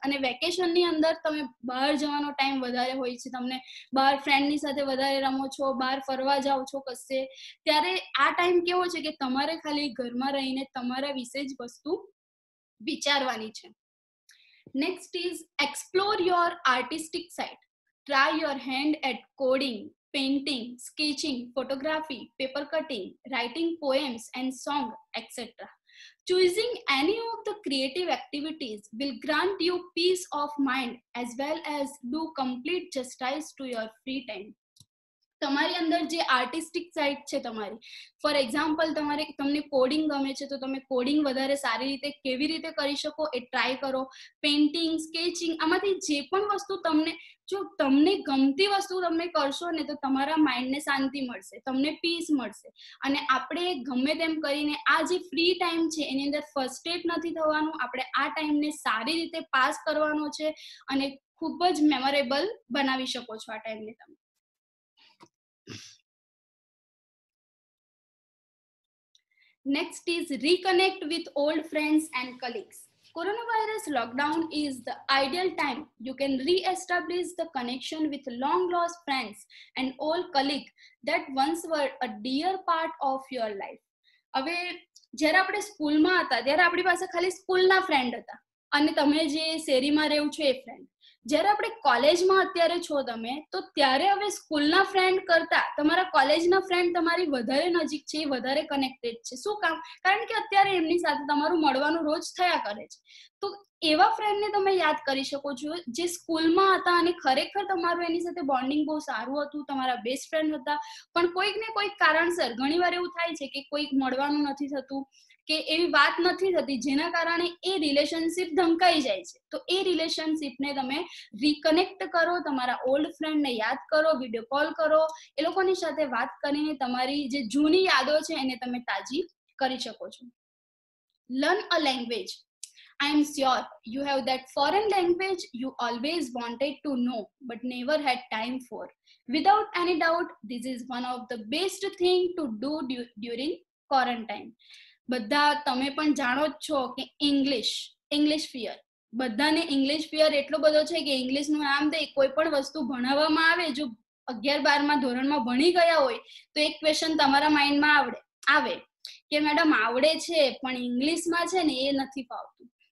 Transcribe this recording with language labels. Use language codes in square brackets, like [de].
[gu] અને વેકેશનની અંદર તમે બહાર જવાનો ટાઈમ વધારે હોય છે, તમને બહાર ફ્રેન્ડની સાથે વધારે રમો છો, બહાર ફરવા જાઓ છો કશે, ત્યારે આ ટાઈમ કેવો છે કે તમારે ખાલી ઘરમાં રહીને તમારા વિશે જ વસ્તુ વિચારવાની છે. [en] Next is explore your artistic side. Try your hand at coding, painting, sketching, photography, paper cutting, writing poems and song etcetera. Choosing any of the creative activities will grant you peace of mind as well as do complete justice to your free time. [gu] તમારી અંદર જે artistic side છે તમારી, [en] for example [gu] તમને coding ગમે છે, તો તમે કોડિંગ વધારે સારી રીતે કેવી રીતે કરી શકો એ ટ્રાય કરો. પેઇન્ટિંગ, સ્કેચિંગ, આમાંથી જે પણ વસ્તુ તમને, જો તમને ગમતી વસ્તુ તમે કરશો ને, તો તમારા માઇન્ડને શાંતિ મળશે, તમને પીસ મળશે. અને આપણે ગમે તેમ કરીને આ જે ફ્રી ટાઈમ છે એની અંદર ફર્સ્ટ એડ નથી થવાનું, આપણે આ ટાઈમને સારી રીતે પાસ કરવાનો છે અને ખૂબ જ મેમોરેબલ બનાવી શકો છો આ ટાઈમને તમે. [en] Next is reconnect with old friends and colleagues. Coronavirus lockdown is the ideal time you can re-establish the connection with long lost friends and old colleagues that once were a dear part of your life. [gu] હવે જ્યારે આપણે સ્કૂલમાં હતા ત્યારે આપણી પાસે ખાલી સ્કૂલના ફ્રેન્ડ હતા, અને તમે જે શેરીમાં રહેવું છો એ ફ્રેન્ડ. જ્યારે આપણે કોલેજમાં અત્યારે છો તમે, તો ત્યારે હવે સ્કૂલના ફ્રેન્ડ કરતા તમારા કોલેજના ફ્રેન્ડ તમારી વધારે નજીક છે, વધારે કનેક્ટેડ છે. શું કામ? કારણ કે અત્યારે એમની સાથે તમારું મળવાનું રોજ થયા કરે છે. તો એવા ફ્રેન્ડને તમે યાદ કરી શકો છો જે સ્કૂલમાં હતા અને ખરેખર તમારું એની સાથે બોન્ડિંગ બહુ સારું હતું, તમારા બેસ્ટ ફ્રેન્ડ હતા. પણ કોઈક ને કોઈક કારણસર ઘણી વાર એવું થાય છે કે કોઈક મળવાનું નથી થતું, કે એવી વાત નથી થતી, જેના કારણે એ રિલેશનશીપ ધમકાઈ જાય છે. તો એ રિલેશનશીપને તમે રિકનેક્ટ કરો, તમારા ઓલ્ડ ફ્રેન્ડને યાદ કરો, વિડીયો કોલ કરો, એ લોકોની સાથે વાત કરીને તમારી જે જૂની યાદો છે એને તમે તાજી કરી શકો છો. [en] Learn a language. I am sure you have that foreign language you always wanted to know but never had time for. Without any doubt, this is one of the best thing to do during quarantine. [gu] બધા તમે પણ જાણો જ છો કે English fear, બધાને English fear એટલો બધો છે કે ઇંગ્લિશનું નામ દે, કોઈ પણ વસ્તુ ભણાવવામાં આવે, જો 11-12 ધોરણમાં ભણી ગયા હોય તો એક ક્વેશ્ચન તમારા માઇન્ડમાં આવે કે મેડમ આવડે છે પણ ઇંગ્લિશમાં છે ને એ નથી ફાવતું.